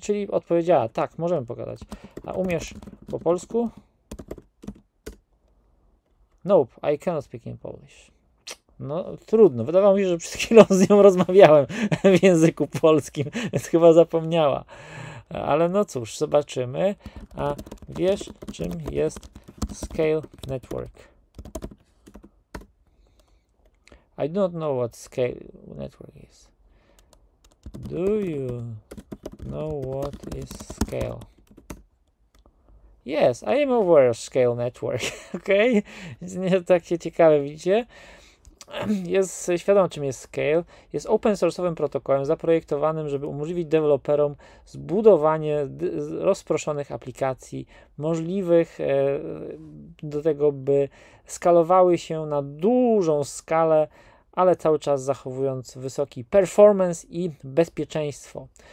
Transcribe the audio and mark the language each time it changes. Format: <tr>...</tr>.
<pl>Czyli odpowiedziała, tak, możemy pogadać. A umiesz po polsku?</pl> <en>Nope, I cannot speak in Polish.</en> <pl>No, trudno. Wydawało mi się, że przed chwilą z nią rozmawiałem w języku polskim, więc chyba zapomniała. Ale no cóż, zobaczymy. A wiesz, czym jest scale network?</pl> <en>I do not know what scale network is. Do you know what is scale? Yes, I am aware of scale network.</en> <pl>Ok, nie takie ciekawe, widzicie? Jest świadomy, czym jest scale. Jest open source'owym protokołem zaprojektowanym, żeby umożliwić deweloperom zbudowanie rozproszonych aplikacji możliwych do tego, by skalowały się na dużą skalę, ale cały czas zachowując wysoki performance i bezpieczeństwo.</pl>